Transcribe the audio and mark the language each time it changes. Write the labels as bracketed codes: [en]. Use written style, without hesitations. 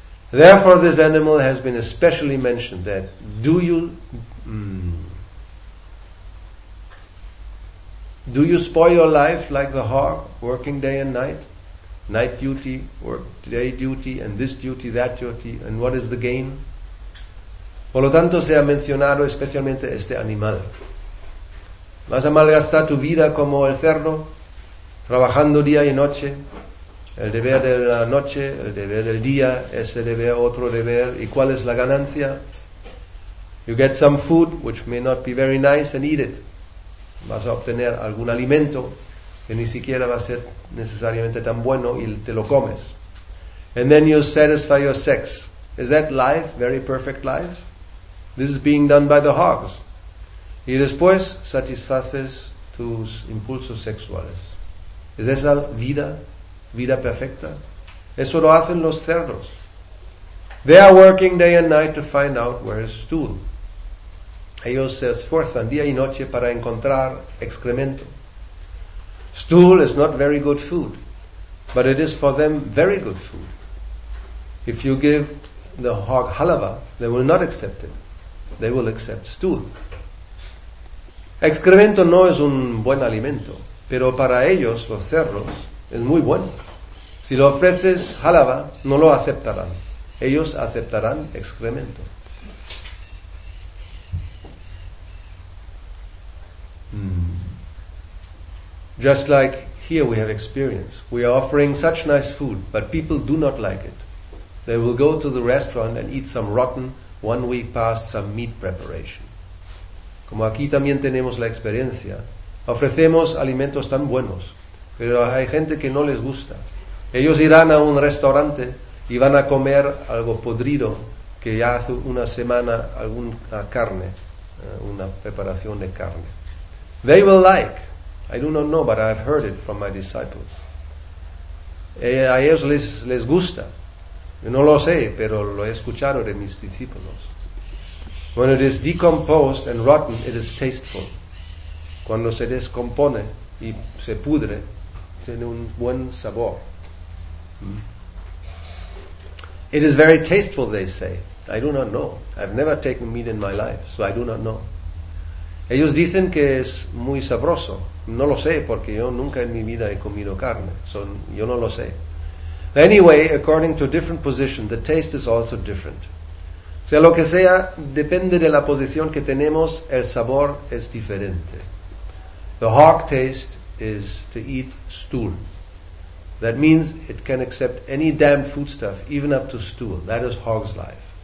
[en] Therefore, this animal has been especially mentioned that do you spoil your life like the hog, working day and night? Night duty, work day duty, and this duty, that duty, and what is the gain? [es] Por lo tanto, se ha mencionado especialmente este animal. ¿Vas a malgastar tu vida como el cerdo, trabajando día y noche? El deber de la noche, el deber del día, ese deber, otro deber. ¿Y cuál es la ganancia? [en] You get some food, which may not be very nice, and eat it. [es] Vas a obtener algún alimento que ni siquiera va a ser necesariamente tan bueno y te lo comes. [en] And then you satisfy your sex. Is that life, very perfect life? This is being done by the hogs. [es] Y después satisfaces tus impulsos sexuales. ¿Es esa vida? ¿Vida perfecta? Eso lo hacen los cerdos. [en] They are working day and night to find out where is stool. [es] Ellos se esfuerzan día y noche para encontrar excremento. [en] Stool is not very good food. But it is for them very good food. If you give the hog halava, they will not accept it. They will accept stool. [es] Excremento no es un buen alimento, pero para ellos, los cerdos, es muy bueno. Si le ofreces halava, no lo aceptarán. Ellos aceptarán excremento. [en] Just like here we have experience. We are offering such nice food, but people do not like it. They will go to the restaurant and eat some rotten, 1 week past some meat preparation. [es] Como aquí también tenemos la experiencia. Ofrecemos alimentos tan buenos, pero hay gente que no les gusta. Ellos irán a un restaurante y van a comer algo podrido que ya hace una semana alguna carne, una preparación de carne. [en] They will like. I do not know, but I have heard it from my disciples. [es] A ellos les gusta. Yo no lo sé, pero lo he escuchado de mis discípulos. [en] When it is decomposed and rotten, it is tasteful. [es] Cuando se descompone y se pudre, tiene un buen sabor. [en] It is very tasteful, they say. I do not know. I've never taken meat in my life, so I do not know. [es] Ellos dicen que es muy sabroso. No lo sé, porque yo nunca en mi vida he comido carne. So, yo no lo sé. [en] Anyway, according to different position, the taste is also different. [es] O sea, lo que sea, depende de la posición que tenemos, el sabor es diferente. [en] The hog taste is to eat stool. That means it can accept any damn foodstuff, even up to stool. That is hog's life.